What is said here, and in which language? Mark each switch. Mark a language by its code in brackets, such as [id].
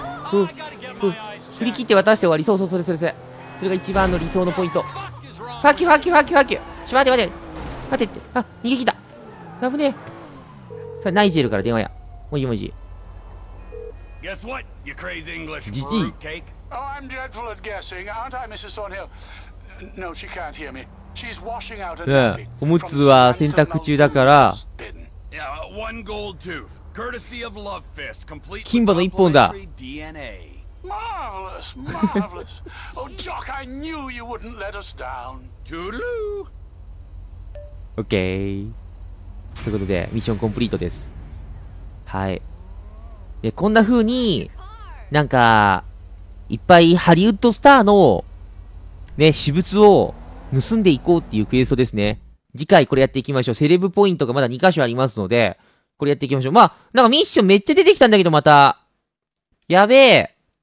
[ja] ふぅ、ふぅ。振り切って渡して終わり。そうそう、それそれそれ。それが一番の理想のポイント。ファキファキファキファキ。ちょ、待て待て。待てって。あ、逃げ切った。危ねえ。さあ、ナイジェルから電話や。もじもじ。 [en] Guess what? You crazy English fruit cake? Oh, I'm dreadful at guessing, aren't I, Mrs. Thornhill? No, she can't hear me. She's washing out a baby. [ja] おむつは洗濯中だから。 [en] Yeah, one gold tooth, courtesy of Love Fist, complete. [ja] 金歯の一本だ。 [en] Marvelous, marvelous. Oh, Jock, I knew you wouldn't let us down. Toodaloo. Okay. [ja] ということでミッションコンプリートです。はい。で、こんな風になんか。いっぱいハリウッドスターのね、私物を盗んでいこうっていうクエストですね。次回これやっていきましょう。セレブポイントがまだ2箇所ありますので、これやっていきましょう。まあ、なんかミッションめっちゃ出てきたんだけどまた。やべえ。